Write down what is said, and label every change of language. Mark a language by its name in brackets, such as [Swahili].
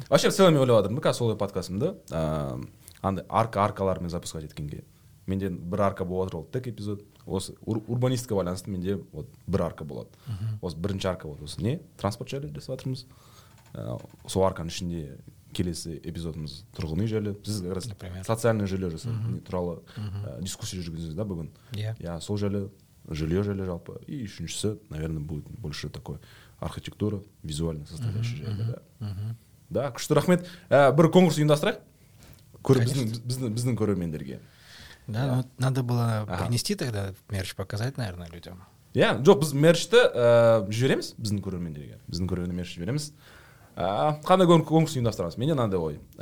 [Kazakh] Вообще, в целом, мен ойлап отырмын, қазір солай подкастымды. Анда, аркалармен запускать еткенге. Менде бір арка болады ол тек эпизод. Осы урбанистика байланысты менде вот бір арка болады. Осы бірінші арка вот осы не? Транспорт жайлы десіп отырмыз. Сол арканың ішінде келесі эпизодымыз тұрғын үй жайлы. Сіз как раз социальное жилье жасы туралы дискуссия жүргізіңіз, да, бүгін? [English] Yeah. [Russian] Я сол жайлы, жилье жайлы жалпы. И үшіншісі, наверное, будет больше такой архитектура, визуальная составляющая жайлы. [Kazakh] Да, күшті, рахмет. Бір конкурс ұйымдастырайық. Біздің көрермендерге. [Russian] Да, ну надо было принести тогда мерч, показать, наверное, людям. [Kazakh] Я, жоқ, біз мерчті жібереміз біздің көрермендерге. Біздің көрермендерге мерч жібереміз. Қандай конкурс ұйымдастырамыз? Менде мынандай ой.